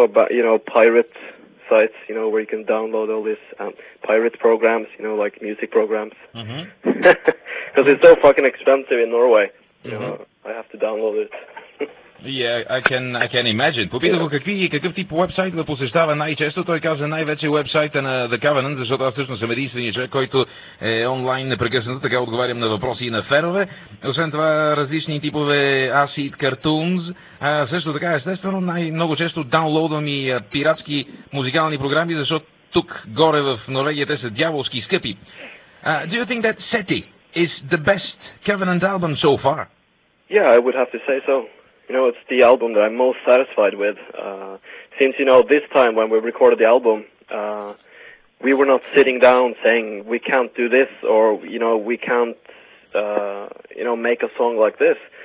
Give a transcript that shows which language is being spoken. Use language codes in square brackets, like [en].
[en] You know, pirate sites, you know, where you can download all these pirate programs, you know, like music programs. Because it's so fucking expensive in Norway. Mm-hmm. You know, I have to download it. Yeah, I can imagine. [bg] Попитах го какъв тип уебсайт да посещава най-често. Той каза най-вече уебсайта на The Covenant, защото аз всъщност съм единствения човек, който е онлайн непрекъснато, така отговарям на въпроси и на ферове. Освен това, различни типове [en] acid cartoons. [bg] Също така, естествено, най-много често даунлоудвам и пиратски музикални програми, защото тук горе в Норвегия те са дяволски скъпи. [en] Do you think that SETI is the best Covenant album so far? Yeah, I would have to say so. You know, it's the album that I'm most satisfied with. Since, you know, this time when we recorded the album, we were not sitting down saying we can't do this or, you know, we can't, you know, make a song like this.